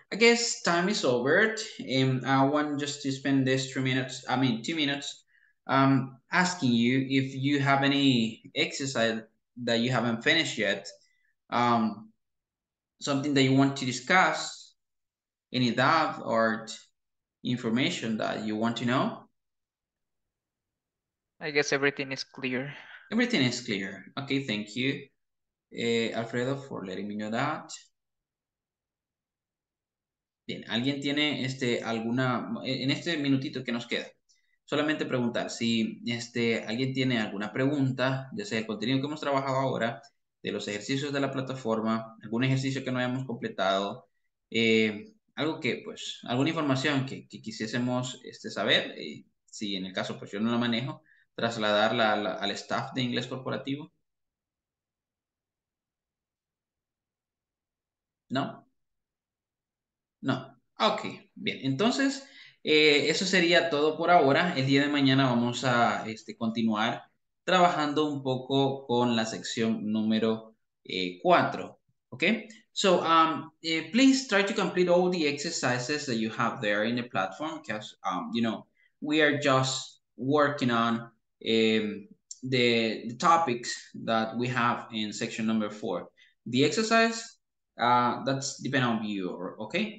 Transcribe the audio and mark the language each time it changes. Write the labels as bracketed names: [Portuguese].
[English] I guess time is over. I want just to spend this 3 minutes, I mean 2 minutes, asking you if you have any exercise that you haven't finished yet, something that you want to discuss, any doubt or information that you want to know? I guess everything is clear. Everything is clear. Okay, thank you, Alfredo, for letting me know that. [Spanish] Bien, ¿alguien tiene alguna, en este minutito que nos queda? Solamente preguntar si alguien tiene alguna pregunta, ya sea el contenido que hemos trabajado ahora, de los ejercicios de la plataforma, algún ejercicio que no hayamos completado, algo que, pues, alguna información que quisiésemos saber, si en el caso pues yo no la manejo, trasladarla al staff de inglés corporativo. ¿No? No. Ok, bien. Entonces, eso sería todo por ahora. El día de mañana vamos a continuar trabajando un poco con la sección número 4. Ok. [English] So, please try to complete all the exercises that you have there in the platform, because, you know, we are just working on the topics that we have in section number 4. The exercise, that's depend on you, okay?